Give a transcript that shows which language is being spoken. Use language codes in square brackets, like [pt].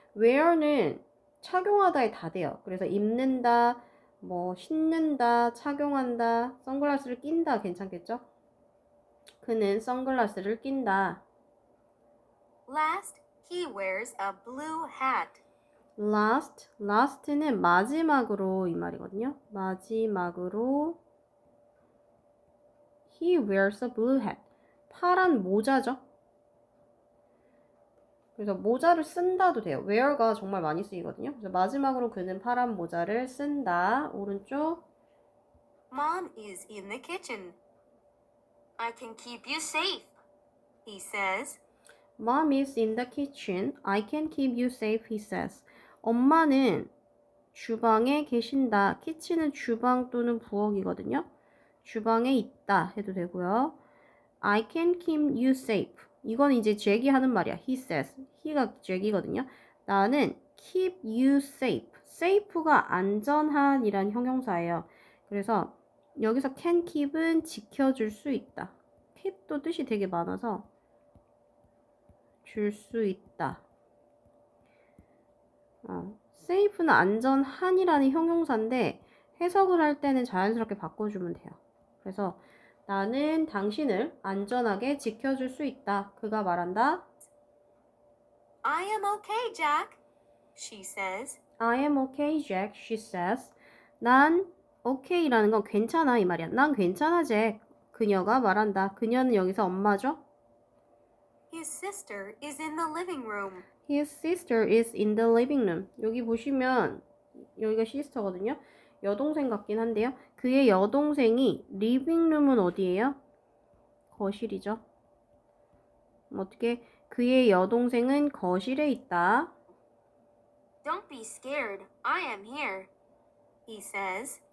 [ko] Wear는 착용하다에 다 돼요. 그래서 입는다, 뭐 신는다, 착용한다, 선글라스를 낀다 괜찮겠죠? 그는 선글라스를 낀다. [en] Last, he wears a blue hat. [ko] Last는 마지막으로 이 말이거든요. 마지막으로 [en] he wears a blue hat. [ko] 파란 모자죠. 그래서 모자를 쓴다도 돼요. wear가 정말 많이 쓰이거든요. 그래서 마지막으로 그는 파란 모자를 쓴다. 오른쪽. [en] Mom is in the kitchen. I can keep you safe, he says. Mom is in the kitchen. I can keep you safe, he says. [ko] 엄마는 주방에 계신다. 키친은 주방 또는 부엌이거든요. 주방에 있다 해도 되고요. [en] I can keep you safe. [ko] 이건 이제 잭이 하는 말이야. [en] He says. He가 [ko] 잭이거든요. 나는 [en] keep you safe. [ko] Safe가 안전한이란 형용사예요. 그래서 여기서 [en] can keep [ko] 은 지켜줄 수 있다. keep도 뜻이 되게 많아서 줄수 있다. safe는 안전한이라는 형용사인데 해석을 할 때는 자연스럽게 바꿔주면 돼요. 그래서 나는 당신을 안전하게 지켜줄 수 있다. 그가 말한다. [en] I am okay, Jack, she says. I am okay, Jack, she says. [ko] 난 okay라는 건 괜찮아 이 말이야. 난 괜찮아, Jack. 그녀가 말한다. 그녀는 여기서 엄마죠? [en] His sister is in the living room. His sister is in the living room. [ko] 여기 보시면 여기가 시스터거든요. 여동생 같긴 한데요. 그의 여동생이 리빙룸은 어디예요? 거실이죠. 어떻게 그의 여동생은 거실에 있다. [en] Don't be scared. I am here, he says.